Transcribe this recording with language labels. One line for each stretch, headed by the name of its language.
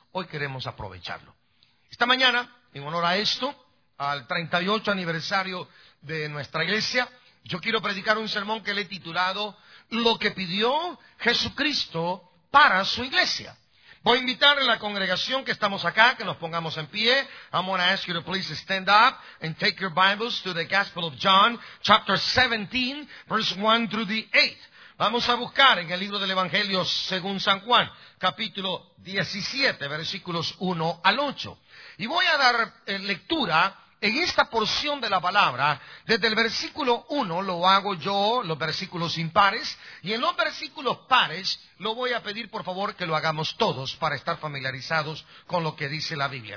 Spanish: Hoy queremos aprovecharlo. Esta mañana, en honor a esto, al 38 aniversario de nuestra iglesia, yo quiero predicar un sermón que le he titulado Lo que pidió Jesucristo para su iglesia. Voy a invitar a la congregación que estamos acá, que nos pongamos en pie.
English: I'm going to ask you to please stand up and take your Bibles to the Gospel of John, chapter 17, verse 1 through the 8.
Spanish: Vamos a buscar en el libro del Evangelio según San Juan, capítulo 17, versículos 1 al 8. Y voy a dar lectura en esta porción de la palabra, desde el versículo 1 lo hago yo, los versículos impares, y en los versículos pares lo voy a pedir por favor que lo hagamos todos para estar familiarizados con lo que dice la Biblia.